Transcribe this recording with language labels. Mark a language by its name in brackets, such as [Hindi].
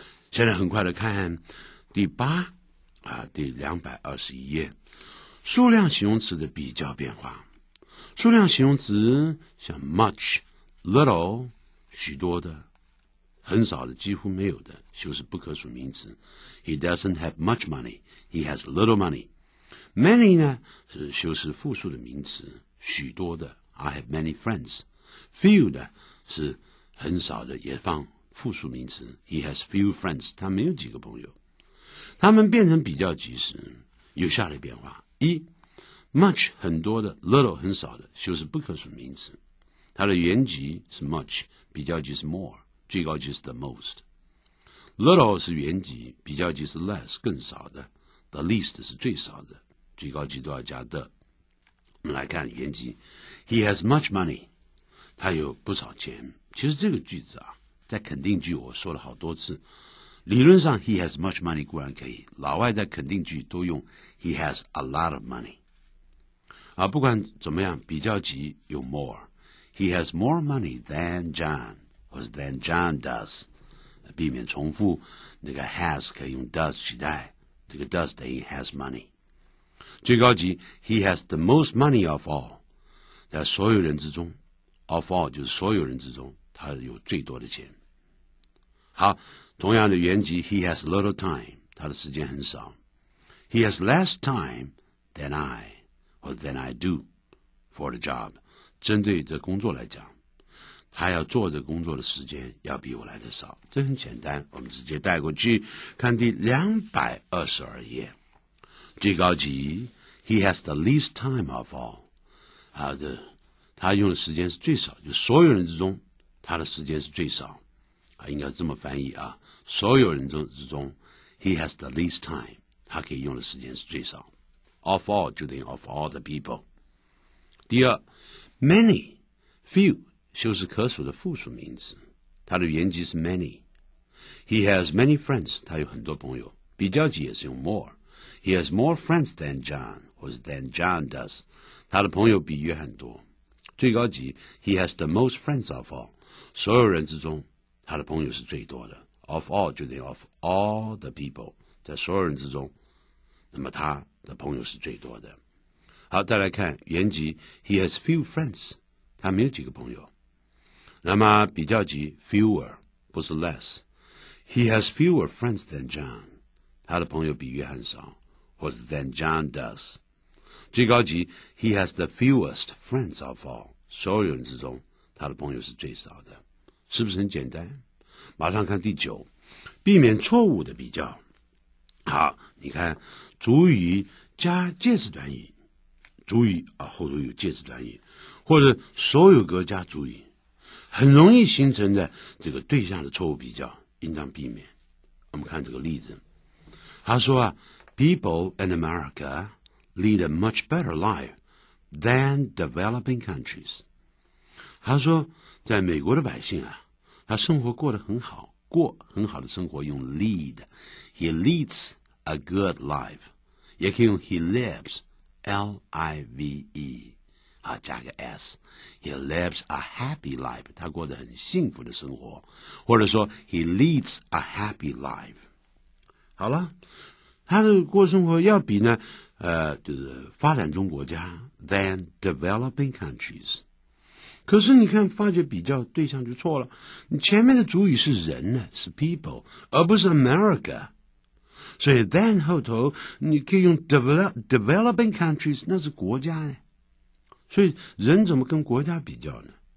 [Chinese] 现在很快的看第八啊，第221页，数量形容词的比较变化。数量形容词像 much、little、许多的、很少的、几乎没有的，修饰不可数名词。 [English] He doesn't have much money. He has little money. Many [Chinese] 呢是修饰复数的名词。许多的 [English] I have many friends. [Chinese] Few 的是很少的，也放复数名词 [English] He has few friends. [Chinese] 他没有几个朋友。他们变成比较级时有下列变化。一 much 很多的 little 很少的就是不可数名词。它的原级是 much, 比较级是 more, 最高级是 the most。 Little 是原级，比较级是 less, 更少的。The least 是最少的，最高级都要加 the。 [English] 我们来看原级。He has much money. [Chinese] 他有不少钱。其实这个句子啊，在肯定句我说了好多次。理论上 [English] he has much money [Chinese] 固然可以，老外在肯定句都用 [English] he has a lot of money。 [Chinese] 啊，不管怎么样，比较级有 more。 [English] He has more money than John, [Chinese] 或是 [English] than John does。 [Chinese] 避免重复，那个 has 可以用 does 取代，这个 does 等于 has money。最高级 ， [English] He has the most money of all， [Chinese] 在所有人之中 ，of all 就是所有人之中，他有最多的钱。好，同样的原级 ， [English] He has little time， [Chinese] 他的时间很少。 [English] He has less time than I， or than I do for the job， [Chinese] 针对这工作来讲。他要做的工作的时间要比我来的少，这很简单，我们直接带过去看第222页。最高级 [English] He has the least time of all， [Chinese] 好的，他用的时间是最少，就所有人之中他的时间是最少，应该这么翻译啊，所有人之中 [English] He has the least time， [Chinese] 他可以用的时间是最少， of all 就等于 [English] of all the people。 [Chinese] 第二 many few就是可数的复数名词，它的原级是 many。 [English] He has many friends， [Chinese] 他有很多朋友，比较级也是用 more。 [English] He has more friends than John， [Chinese] 或是 [English] than John does， [Chinese] 他的朋友比约翰多。最高级 [English] He has the most friends of all， [Chinese] 所有人之中他的朋友是最多的， of all 就等于 [English] of all the people， [Chinese] 在所有人之中，那么他的朋友是最多的。好，再来看原级 [English] He has few friends， [Chinese] 他没有几个朋友。那么比较级 fewer 不是 less， [English] He has fewer friends than John， [Chinese] 他的朋友比约翰少，或是 [English] than John does。 [Chinese] 最高级 [English] He has the fewest friends of all， [Chinese] 所有人之中他的朋友是最少的，是不是很简单？马上看第九，避免错误的比较。好，你看主语加介词短语，主语啊后头有介词短语，或者所有格加主语，很容易形成的这个对象的错误比较，应当避免。我们看这个例子，他说啊 ， [English] People in America lead a much better life than developing countries。 [Chinese] 他说，在美国的百姓啊，他生活过得很好，过很好的生活用 lead， [English] he leads a good life， [Chinese] 也可以用 he lives， L-I-V-E。啊，加个 s， [English] he lives a happy life， [Chinese] 他过得很幸福的生活，或者说 [English] he leads a happy life。 [Chinese] 好了，他的过生活要比呢就是发展中国家 [English] than developing countries。 [Chinese] 可是你看发觉比较对象就错了，你前面的主语是人呢，是 people 而不是 America， 所以 than 后头你可以用 developing countries， 那是国家呢，所以人怎么跟国家比较呢？